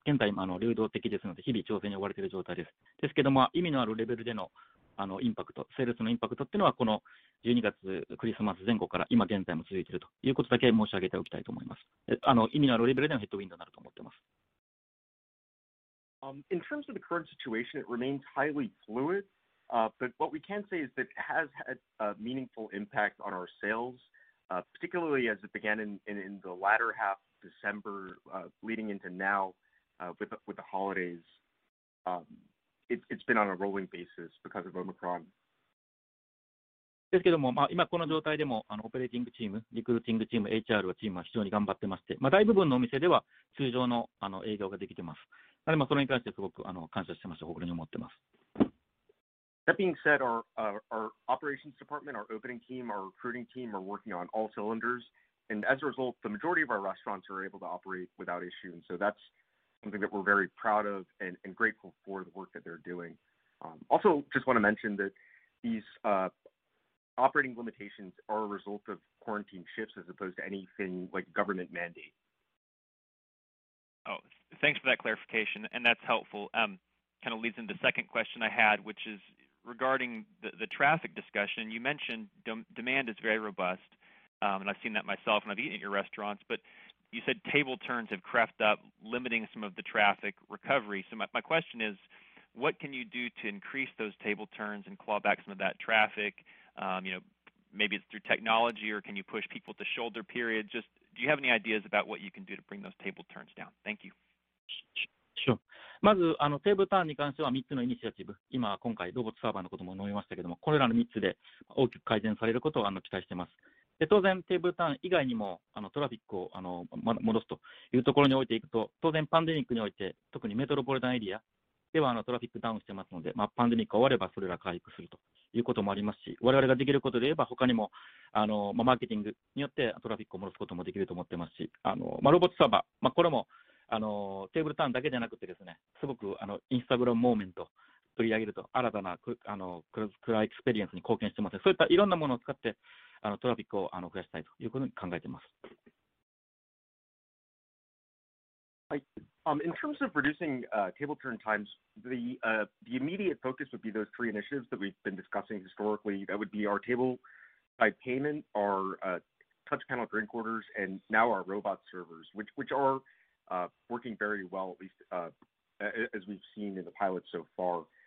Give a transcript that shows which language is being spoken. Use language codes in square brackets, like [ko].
[ja] 現在、流動的ですので、日々調整に追われている状態です。ですけども、意味のあるレベルで のインパクト、セールスのインパクトっていうのは、この12月クリスマス前後から今現在も続いているということだけ申し上げておきたいと思います。意味のあるレベルでのヘッドウィンドになると思っています。 [en] In terms of the current situation, it remains highly fluid, but what we can say is that it has had a meaningful impact on our sales. Particularly as it began in the latter half of December, leading into now with the holidays, it's been on a rolling basis because of Omicron. [ja] ですけども、今この状態でもオペレーティングチーム、リクルーティングチーム、HR はチームは非常に頑張ってまして、大部分のお店では通常の営業ができてます。なので、それに関してすごく感謝してます、誇りに思ってます。 [en] That being said, our operations department, our opening team, our recruiting team are working on all cylinders. And as a result, the majority of our restaurants are able to operate without issue. And so that's something that we're very proud of and grateful for the work that they're doing. Also, just want to mention that these operating limitations are a result of quarantine shifts as opposed to anything like government mandate. Oh, thanks for that clarification. And that's helpful. Kind of leads into the second question I had, which is, regarding the traffic discussion, you mentioned demand is very robust, and I've seen that myself, and I've eaten at your restaurants, but you said table turns have crept up, limiting some of the traffic recovery. So my question is, what can you do to increase those table turns and claw back some of that traffic? Maybe it's through technology, or can you push people to shoulder periods? Just, do you have any ideas about what you can do to bring those table turns down? Thank you. Sure. [ja] まずテーブルターンに関しては3つのイニシアチブ、今回ロボットサーバーのことも述べましたけども、これらの3つで大きく改善されることを期待しています。で、当然テーブルターン以外にもトラフィックを戻すというところにおいていくと、当然パンデミックにおいて特にメトロポリタンエリアではトラフィックダウンしてますので、パンデミックが終わればそれら回復するということもありますし、我々ができることで言えば他にもマーケティングによってトラフィックを戻すこともできると思ってますし、ロボットサーバー、これもあのテーブルターンだけじゃなくてですね、すごくあのインスタグラムモーメント取り上げると新たなあのクラエクスペリエンスに貢献してます。そういったいろんなものを使ってあのトラフィックをあの増やしたいということに考えています。 [en] In terms of reducing table turn times, the immediate focus would be those three initiatives that we've been discussing historically. That would be our table type payment, our touch panel drink orders, and now our robot servers, which are working very well, at least as we've seen in the pilot so far.